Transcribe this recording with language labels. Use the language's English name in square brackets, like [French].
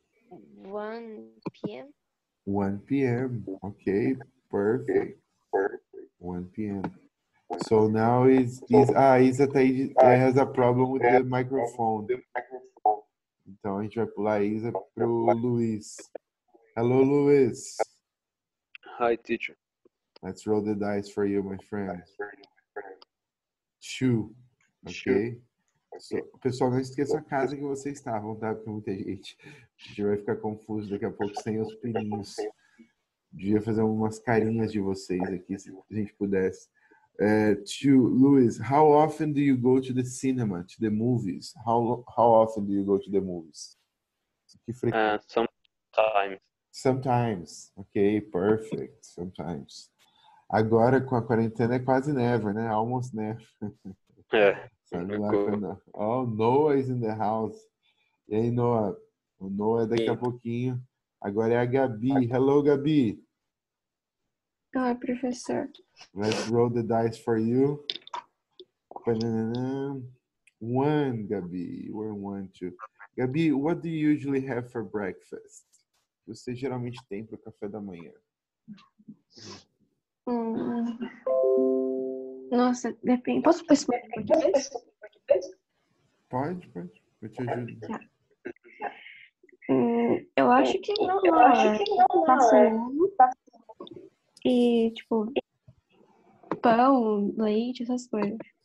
[English] 1 p.m.? 1 p.m. Okay, perfect. 1 p.m. So now is Isa has a problem with the microphone. [Portuguese] Então a gente vai pular Isa pro Luiz. [English] Hello, Luiz. Hi, teacher. Let's roll the dice for you, my friend. Two. Okay. [Portuguese] So, pessoal, não esqueça a casa que vocês estavam, tá? Porque muita gente. A gente vai ficar confuso daqui a pouco sem os pininhos. Devia fazer umas carinhas de vocês aqui, se a gente pudesse. [English] To Luis, how often do you go to the cinema, to the movies? How often do you go to the movies? Sometimes. Sometimes. Okay, perfect. Sometimes. [Portuguese] Agora com a quarentena é quase [English] never, [Portuguese] né? [English] Almost never. Yeah. Oh, Noah is in the house. [Portuguese] E aí, Noah? O Noah é daqui a pouquinho. Agora é a Gabi. Hello, Gabi. [English] Hi, professor. Let's roll the dice for you. One, Gabi. We're one, two. Gabi, what do you usually have for breakfast? [Portuguese] Você geralmente tem para o café da manhã? Nossa, depende. Posso pesquisar em português? Pode, pode. Eu te ajudo. Tá. Eu acho que não. Eu acho que não. Passa e, tipo, pão, leite, essas coisas.